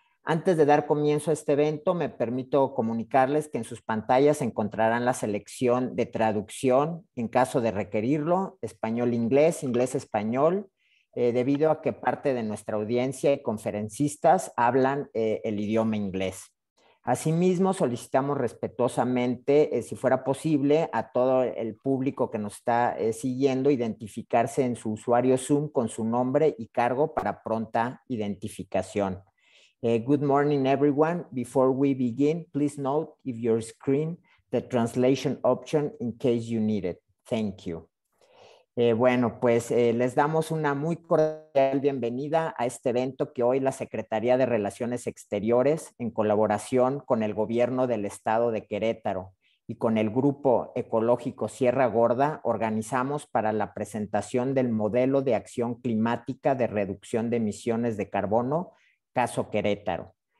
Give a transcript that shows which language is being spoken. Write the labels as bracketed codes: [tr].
[es] Antes de dar comienzo a este evento, me permito comunicarles que en sus pantallas encontrarán la selección de traducción, en caso de requerirlo, español-inglés, inglés-español, debido a que parte de nuestra audiencia y conferencistas hablan el idioma inglés. Asimismo, solicitamos respetuosamente, si fuera posible, a todo el público que nos está siguiendo, identificarse en su usuario Zoom con su nombre y cargo para pronta identificación. [en] Good morning, everyone. Before we begin, please note if your screen, the translation option in case you need it. Thank you. [es] Bueno, pues les damos una muy cordial bienvenida a este evento que hoy la Secretaría de Relaciones Exteriores, en colaboración con el Gobierno del Estado de Querétaro y con el Grupo Ecológico Sierra Gorda, organizamos para la presentación del Modelo de Acción Climática de Reducción de Emisiones de Carbono, caso Querétaro.